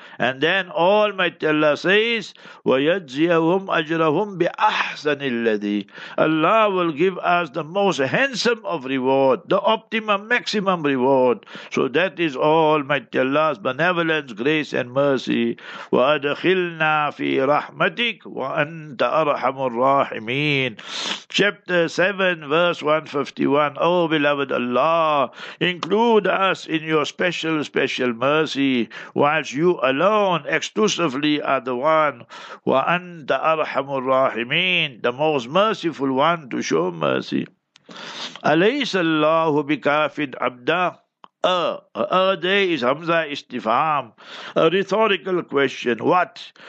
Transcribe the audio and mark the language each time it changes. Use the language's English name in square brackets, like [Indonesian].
[English] And then Almighty Allah says, [Arabic] وَيَجْزِيَهُمْ أَجْرَهُمْ بِأَحْسَنِ الَّذِي [English] Allah will give us the most handsome of reward, the optimum, maximum reward. So that is Almighty Allah's benevolence, grace, and mercy. [Arabic] وَأَدْخِلْنَا فِي رَحْمَتِكَ وَأَنْتَ أَرْحَمُ الرَّاحِمِينَ [English] Chapter 7, verse 151. O beloved Allah, include us in your special, special mercy, whilst you alone, exclusively, are the one. [Arabic] Wa anta arhamur rahimin, [English] the most merciful one to show mercy. [Arabic] Alaysa Allahu bikafid abda. [English] Day is Hamza Istifam, a rhetorical question. What?